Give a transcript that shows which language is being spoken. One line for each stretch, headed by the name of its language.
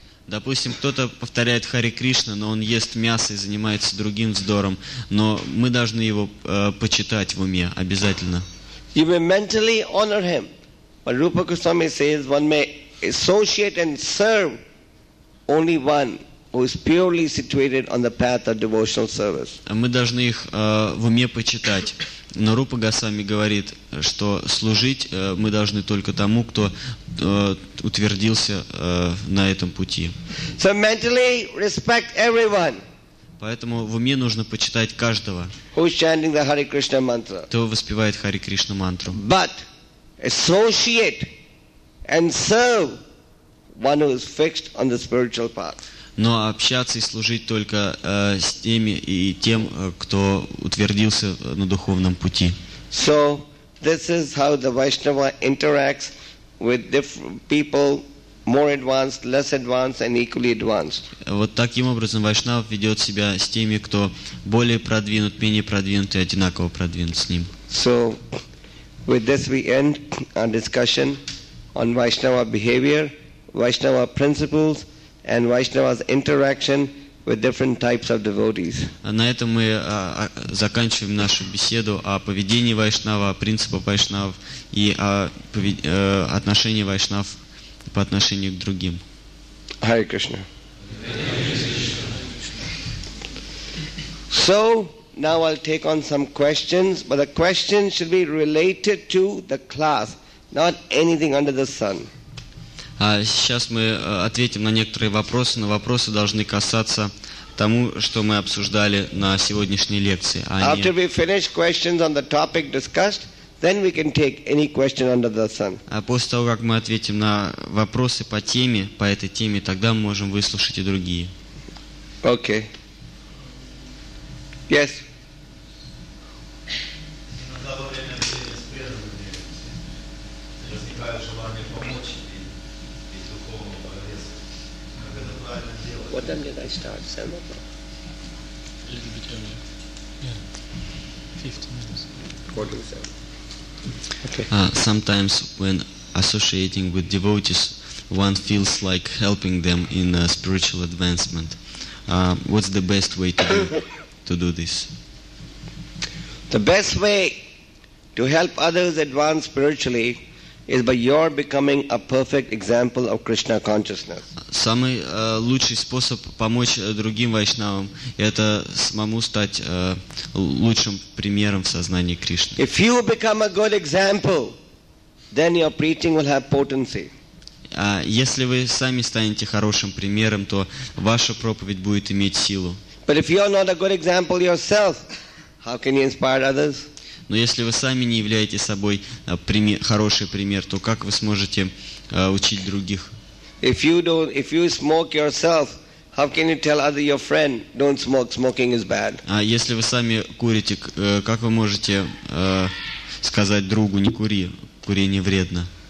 Russian: Допустим, кто-то повторяет Хари Кришна, но он ест мясо и занимается другим вздором, но мы должны его почитать в уме обязательно.
English: You may mentally honor him, but Rupa Goswami says one may associate and serve only one who is purely situated on the path of devotional service.
Russian: Мы должны их в уме почитать, но Рупа Госвами говорит, что служить мы должны только тому, кто утвердился на этом пути.
English: So mentally respect everyone.
Russian: Поэтому в уме нужно почитать каждого, кто воспевает Хари Кришна мантру.
English: But associate and serve one who is fixed on the spiritual path.
Russian: Но общаться и служить только с теми и тем, кто утвердился на духовном пути.
English: So this is how the Vaishnava interacts with different people. More advanced, less advanced, and equally advanced.
Russian: Вот таким образом вайшнав ведет себя с теми, кто более продвинут, менее продвинут и одинаково продвинут с ним.
English: So, with this we end our discussion on Vaishnava behavior, Vaishnava principles, and Vaishnava's interaction with different types of devotees.
Russian: На этом мы заканчиваем нашу беседу о поведении Вайшнава, о принципах Вайшнав и о отношении Вайшнав по отношению к другим.
English: Hare Krishna. So, now I'll take on some questions, but the questions should be related to the class, not anything under the sun.
Russian: Сейчас мы ответим на некоторые вопросы, но вопросы должны касаться тому, что мы обсуждали на сегодняшней лекции.
English: After we finish questions on the topic discussed, then we can take any question under the sun.
Russian: После того, как мы ответим на вопросы по теме, по этой теме, тогда мы можем выслушать и другие.
English: Okay. Yes. What time did I start? 7 o'clock. A little bit earlier. Yeah. 15 minutes. 47. Okay. Sometimes when associating with devotees, one feels like helping them in a spiritual advancement. What's the best way to do this? The best way to help others advance spiritually is by your becoming a perfect example of Krishna consciousness.
Russian: Самый лучший способ помочь другим вайшнавам – это самому стать лучшим примером в сознании Кришны.
English: If you become a good example, then your preaching will have potency.
Russian: Если вы сами станете хорошим примером, то ваша проповедь будет иметь силу.
English: But if you are not a good example yourself, how can you inspire others?
Russian: Но если вы сами не являетесь собой хороший пример, то как вы сможете учить других? Если вы сами курите, как вы можете сказать другу, не кури, курение вредно?